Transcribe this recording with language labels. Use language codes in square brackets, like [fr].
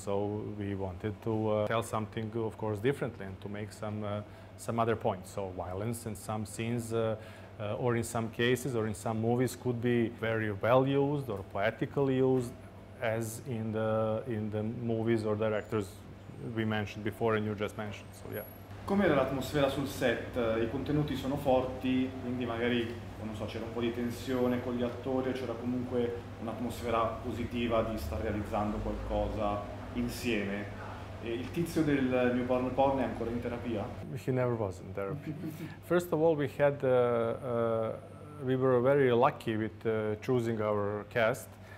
[en] So we wanted to tell something, of course, differently and to make some other points. So violence in some scenes or in some cases or in some movies could be very well used or poetically used as in the movies or directors we mentioned before and you just mentioned. So yeah. [it] Com'era l'atmosfera sul set? I contenuti sono forti, quindi magari, non so, c'era un po' di tensione con gli attori, c'era comunque un'atmosfera positiva di star realizzando qualcosa insieme. E il tizio del newborn porn è ancora in terapia? [en] He never was in therapy. First of all, we were very lucky with choosing our cast.